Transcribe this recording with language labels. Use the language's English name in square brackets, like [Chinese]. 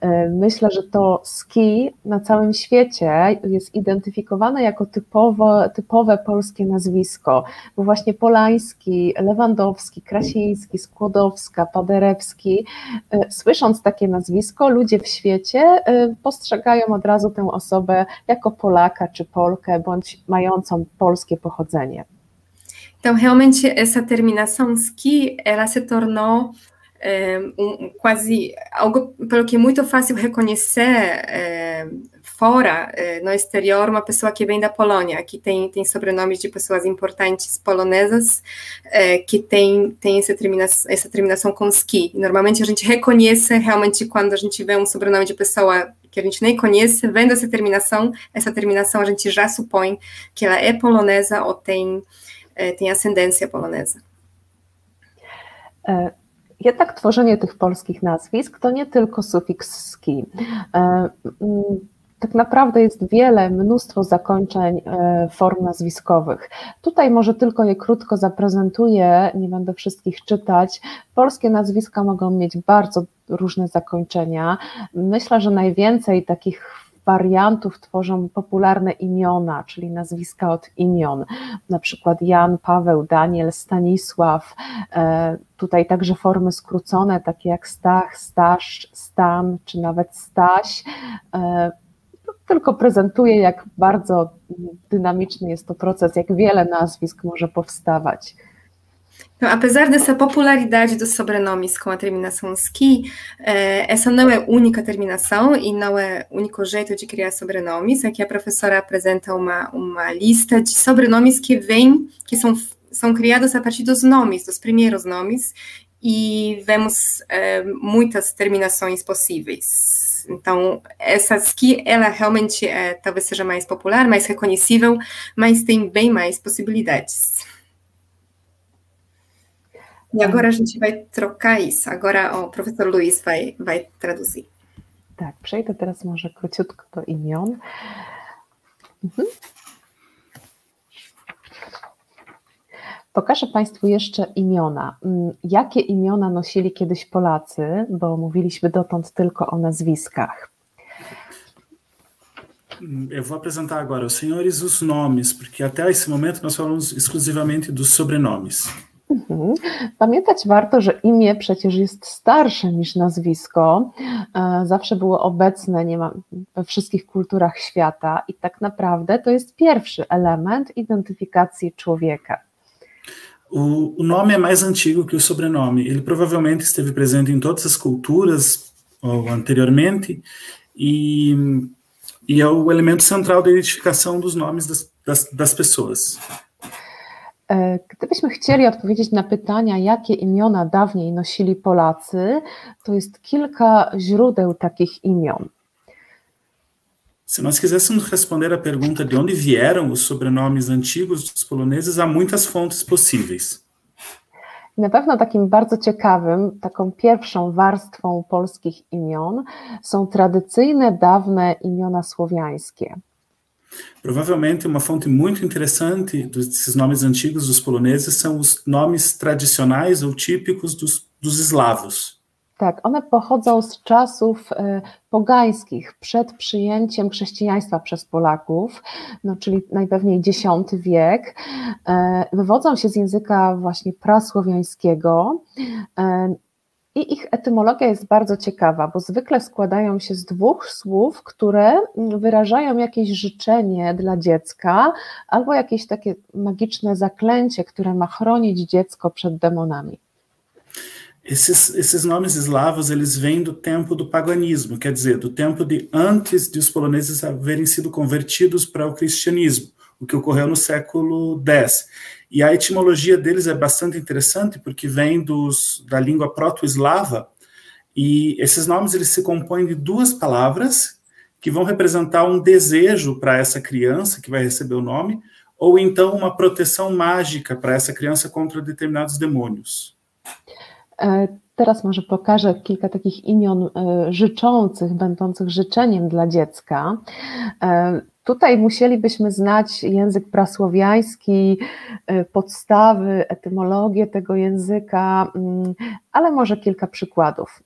[Polish] Myślę, że to ski na całym świecie jest identyfikowane jako typowe polskie nazwisko, bo właśnie Polański, Lewandowski, Krasiński, Skłodowska, Paderewski, słysząc takie nazwisko, ludzie w świecie postrzegają od razu tę osobę jako Polaka czy Polkę, bądź mającą polskie pochodzenie. [Portuguese] Então, realmente, essa terminação ski, ela se tornou quase algo pelo que é muito fácil reconhecer fora, no exterior, uma pessoa que vem da Polônia, que tem sobrenomes de pessoas importantes polonesas, que tem essa terminação com ski. Normalmente, a gente reconhece, realmente, quando a gente vê um sobrenome de pessoa que a gente nem conhece, vendo essa terminação a gente já supõe que ela é polonesa ou tem ascendência polonesa. [Polish] Jednak tworzenie tych polskich nazwisk to nie tylko sufiks ski. Tak naprawdę jest wiele, mnóstwo zakończeń form nazwiskowych. Tutaj może tylko je krótko zaprezentuję, nie będę wszystkich czytać. Polskie nazwiska mogą mieć bardzo różne zakończenia. Myślę, że najwięcej takich wariantów tworzą popularne imiona, czyli nazwiska od imion, na przykład Jan, Paweł, Daniel, Stanisław, tutaj także formy skrócone, takie jak Stach, Stasz, Stan, czy nawet Staś. Tylko prezentuję, jak bardzo dynamiczny jest to proces, jak wiele nazwisk może powstawać. [Portuguese] No, a pesar de sua popularidade dos sobrenomes com a terminação -ski, essa não é a única terminação e não é o único jeito de criar sobrenomes. Aqui a professora apresenta uma lista de sobrenomes que vêm, que são criados a partir dos nomes, dos primeiros nomes, e vemos muitas terminações possíveis. Então, essa ski, ela realmente talvez seja mais popular, mais reconhecível, mas tem bem mais possibilidades. E agora a gente vai trocar isso. Agora o professor Luiz vai traduzir. [Polish] Tá, przejdę teraz może króciutko do imion. Pokażę Państwu jeszcze imiona. Jakie imiona nosili kiedyś Polacy, bo mówiliśmy dotąd tylko o nazwiskach. [Portuguese] Eu vou apresentar agora os senhores os nomes, porque até esse momento nós falamos exclusivamente dos sobrenomes. [Polish] Pamiętać warto, że imię przecież jest starsze niż nazwisko. Zawsze było obecne we wszystkich kulturach świata i tak naprawdę to jest pierwszy element identyfikacji człowieka. [Portuguese] O nome é mais antigo que o sobrenome. Ele provavelmente esteve presente em todas as culturas anteriormente e é o elemento central da identificação dos nomes das pessoas. [Polish] Gdybyśmy chcieli odpowiedzieć na pytania, jakie imiona dawniej nosili Polacy, to jest kilka źródeł takich imion. [Portuguese] Se nós quiséssemos responder à pergunta de onde vieram os sobrenomes antigos dos poloneses, há muitas fontes possíveis. [Polish] Na pewno takim bardzo ciekawym, taką pierwszą warstwą polskich imion są tradycyjne, dawne imiona słowiańskie. [Portuguese] Provavelmente uma fonte muito interessante desses nomes antigos dos poloneses são os nomes tradicionais ou típicos dos eslavos. [Polish] Tak, one pochodzą z czasów pogańskich, przed przyjęciem chrześcijaństwa przez Polaków, no, czyli najpewniej X wiek. Wywodzą się z języka właśnie prasłowiańskiego i ich etymologia jest bardzo ciekawa, bo zwykle składają się z dwóch słów, które wyrażają jakieś życzenie dla dziecka albo jakieś takie magiczne zaklęcie, które ma chronić dziecko przed demonami. [Portuguese] Esses nomes eslavos, eles vêm do tempo do paganismo, quer dizer, do tempo de antes de os poloneses haverem sido convertidos para o cristianismo, o que ocorreu no século X. E a etimologia deles é bastante interessante, porque vem da língua proto-eslava, e esses nomes, eles se compõem de duas palavras que vão representar um desejo para essa criança que vai receber o nome, ou então uma proteção mágica para essa criança contra determinados demônios. [Polish] Teraz może pokażę kilka takich imion życzących, będących życzeniem dla dziecka. Tutaj musielibyśmy znać język prasłowiański, podstawy, etymologię tego języka, ale może kilka przykładów.